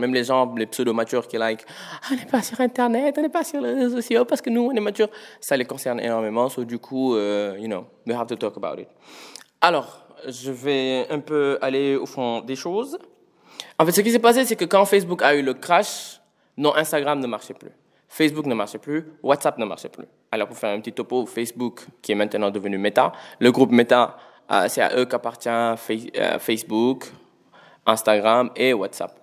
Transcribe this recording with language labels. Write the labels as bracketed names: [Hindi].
[French] Même les gens, les pseudo-matures qui like, on n'est pas sur Internet, on n'est pas sur les réseaux sociaux parce que nous, on est matures. Ça les concerne énormément. [English] So, [French] du coup, [English] we have to talk about it. [French] Alors, je vais un peu aller au fond des choses. En fait, ce qui s'est passé, c'est que quand Facebook a eu le crash, non, Instagram ne marchait plus. Facebook ne marchait plus, WhatsApp ne marchait plus. Alors, pour faire un petit topo, Facebook, qui est maintenant devenu Meta, le groupe Meta, c'est à eux qu'appartient Facebook, Instagram et WhatsApp.